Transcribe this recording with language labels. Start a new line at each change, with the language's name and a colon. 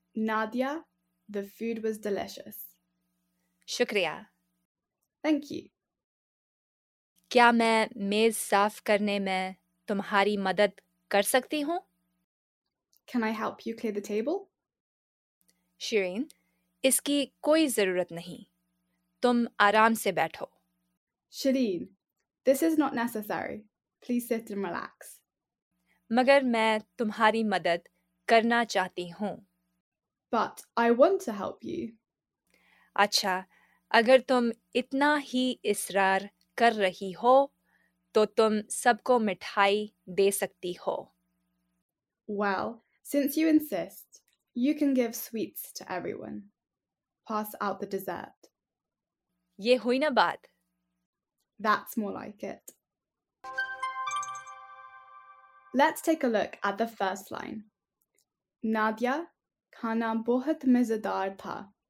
English: Nadia, the food was delicious.
Hindi: Shukriya.
English: Thank you.
Hindi: Kya main mez saaf karne mein tumhari madad कर सकती हूँ?
English: Can I help you clear the table?
Hindi: Shirin, इसकी कोई जरूरत नहीं. तुम आराम से बैठो.
English: Shirin, this is not necessary. Please sit and relax.
Hindi: मगर मैं तुम्हारी मदद करना चाहती हूँ.
English: But I want to help you.
Hindi: अच्छा, अगर तुम इतना ही इसरार कर रही हो, तो तुम सबको मिठाई दे सकती हो.
English: Well, since you insist, you can give sweets to everyone. Pass out the dessert.
Hindi: ये हुई ना बात?
English: That's more like it. Let's take a look at the first line. Nadia,
Hindi: khana bahut mazedar tha.